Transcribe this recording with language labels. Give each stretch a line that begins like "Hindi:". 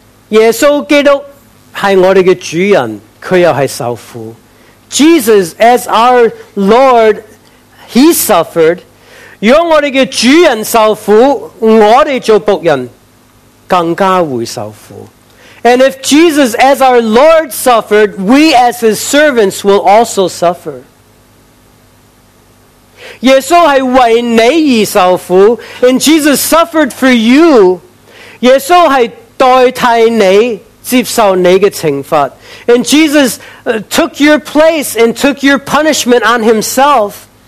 Chinese: 耶稣基督是我们的主人, 他又是受苦.
English: Jesus, as our Lord, he suffered.
Chinese: 如果我们的主人受苦, 我们做仆人更加会受苦.
English: And if Jesus as our Lord suffered, we as his servants will also suffer.
Chinese: 耶稣是为你而受苦,
English: and Jesus suffered for you.
Chinese: 耶稣是代替你接受你的惩罚,
English: and Jesus took your place and took your punishment on himself.